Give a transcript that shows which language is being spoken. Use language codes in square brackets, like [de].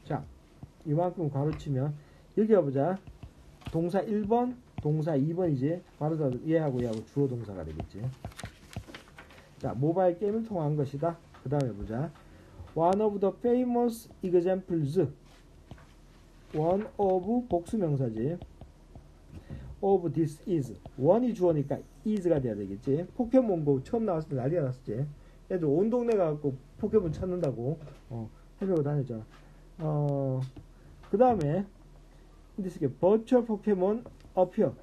[ko] 자, 이만큼 괄호 치면 여기 가보자. 동사 1번 동사 2번이지 괄호사 얘하고 얘하고 주어 동사가 되겠지. 자, 모바일 게임을 통한 것이다. 그 다음에 보자. [en] One of the famous examples. One of [ko] 복수명사지. [en] Of this is. [ko] One이 주어니까 is가 돼야 되겠지. 포켓몬고 처음 나왔을 때 난리가 났었지. 애들 온 동네 가서 포켓몬 찾는다고 해보고 다녔잖아. 그 다음에 근데 이게 버추얼 포켓몬 appear.